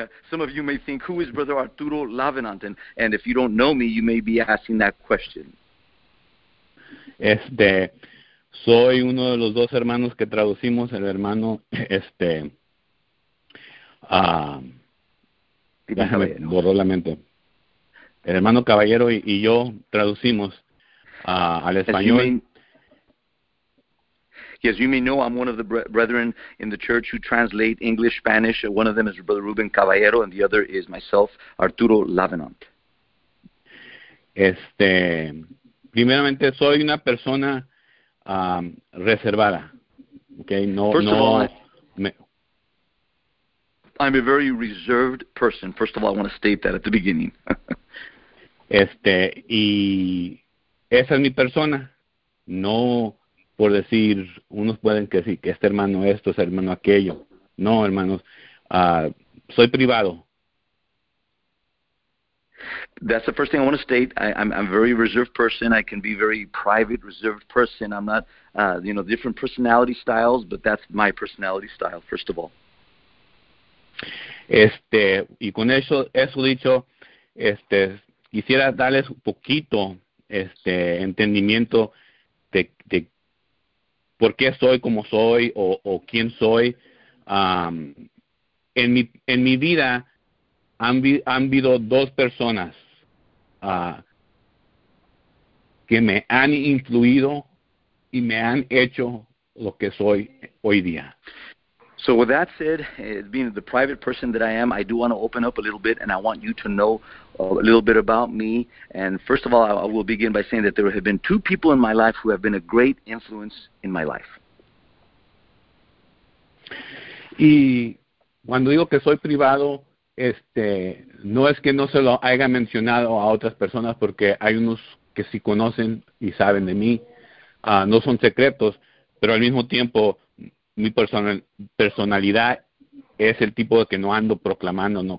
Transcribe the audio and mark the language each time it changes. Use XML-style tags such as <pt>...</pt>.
<en>Some of you may think, who is Brother Arturo Lavenant? And if you don't know me, you may be asking that question.</en> <es>Soy uno de los dos hermanos que traducimos, el hermano déjame, borró la mente. El hermano Caballero y yo traducimos al español.</es> <en>As you may know, I'm one of the brethren in the church who translate English, Spanish. One of them is Brother Ruben Caballero, and the other is myself, Arturo Lavenant.</en> <es>Primeramente, soy una persona reservada. Okay,</es> <en>I'm a very reserved person. First of all, I want to state that at the beginning.</en> <es>y esa es mi persona. No. Por decir, unos pueden decir que este hermano esto, este hermano aquello. No, hermanos, soy privado.</es> <en>That's the first thing I want to state. I'm a very reserved person. I can be very private, reserved person. I'm not, different personality styles, but that's my personality style, first of all.</en> <es>Y con eso dicho, quisiera darles un poquito entendimiento de por qué soy como soy o quién soy. En mi vida han habido dos personas que me han influido y me han hecho lo que soy hoy día.</es> <en>So with that said, being the private person that I am, I do want to open up a little bit, and I want you to know a little bit about me. And first of all, I will begin by saying that there have been two people in my life who have been a great influence in my life.</en> <es>Y cuando digo que soy privado, no es que no se lo haya mencionado a otras personas, porque hay unos que sí conocen y saben de mí. No son secretos, pero al mismo tiempo, mi personalidad es el tipo de que no ando proclamando, ¿no?</es>